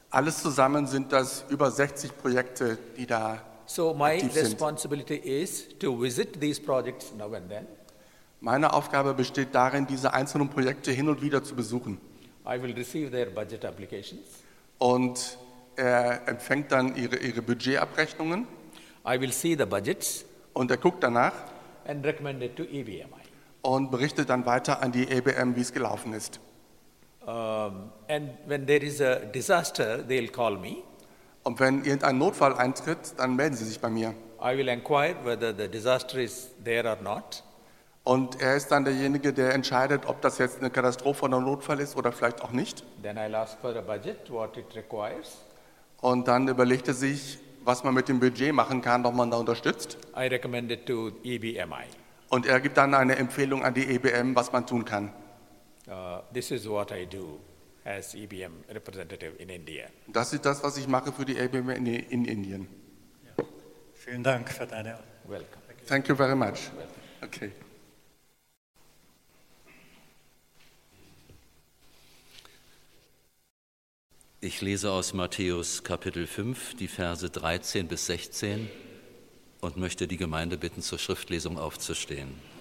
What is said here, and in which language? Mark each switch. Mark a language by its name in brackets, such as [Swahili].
[German] Alles zusammen sind das über 60 Projekte, die da [English] so my responsibility is to visit these projects now and then. [German] Meine Aufgabe besteht darin, diese einzelnen Projekte hin und wieder zu besuchen. [English] I will receive their budget applications. [German] Und er empfängt dann ihre Budgetabrechnungen. [English] I will see the budgets. [German] Und er guckt danach. [English] And recommend it to IBM. [German] Und berichtet dann weiter an die IBM, wie es gelaufen ist. [English] And when there is a disaster, they'll call me. [German] Und wenn irgendein Notfall eintritt, dann melden Sie sich bei mir. [English] I will inquire whether the disaster is there or not. [German] Und er ist dann derjenige, der entscheidet, ob das jetzt eine Katastrophe oder ein Notfall ist oder vielleicht auch nicht. [English] Then I'll ask for a budget, what it requires. [German] Und dann überlegt er sich, was man mit dem Budget machen kann, ob man da unterstützt. [English] I recommend it to EBMI. [German] Und er gibt dann eine Empfehlung an die IBM, was man tun kann. [English] This is what I do as IBM representative in India. [German] Das ist das, was ich mache für die IBM in Indien. Yeah. Vielen Dank für deine [English] Welcome. Thank you very much. Okay. [German] Ich lese aus Matthäus Kapitel 5, die Verse 13 bis 16 und möchte die Gemeinde bitten, zur Schriftlesung aufzustehen.